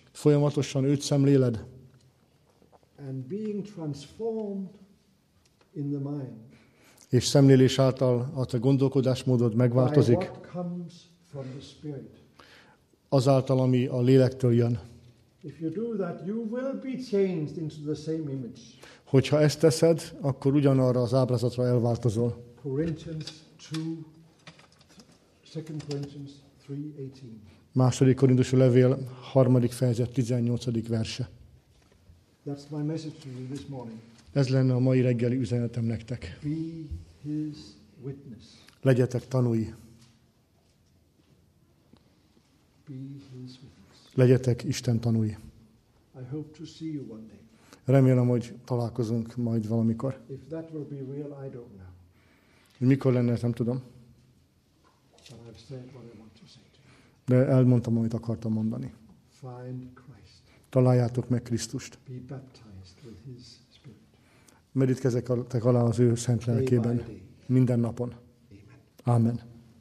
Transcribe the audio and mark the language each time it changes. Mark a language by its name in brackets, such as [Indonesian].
[Hungarian] Folyamatosan őt szemléled. [English] And being transformed in the mind. [Hungarian] És szemlélés által a te gondolkodásmódod megváltozik. [English] By what comes from the Spirit. [Hungarian] Azáltal, ami a lélektől jön. [English] If you do that, you will be changed into the same image. [Hungarian] Hogyha ezt teszed, akkor ugyanarra az ábrázatra elváltozol. [English] Corinthians 2 Corinthians 3:18. [Hungarian] Második Korintusi levél 3. fejezet 18. verse. [English] That's my message to you this morning. [Hungarian] Ez lenne a mai reggeli üzenetem nektek. [English] Be his witness. [Hungarian] Legyetek tanúi. [English] Be his witness. [Hungarian] Legyetek Isten tanúi. [English] I hope to see you one day. [Hungarian] Remélem, hogy találkozunk majd valamikor. [English] If that will be real, I don't know. [Hungarian] Mikor lenne, nem tudom. [English] But I've said what I want to say to you. [Hungarian] De elmondtam, amit akartam mondani. [English] Find Christ. [Hungarian] Találjátok meg Krisztust. [English] Be baptized with his spirit. [Hungarian] Merítkezzetek alá az ő szent lelkében. Minden napon. Amen. Amen.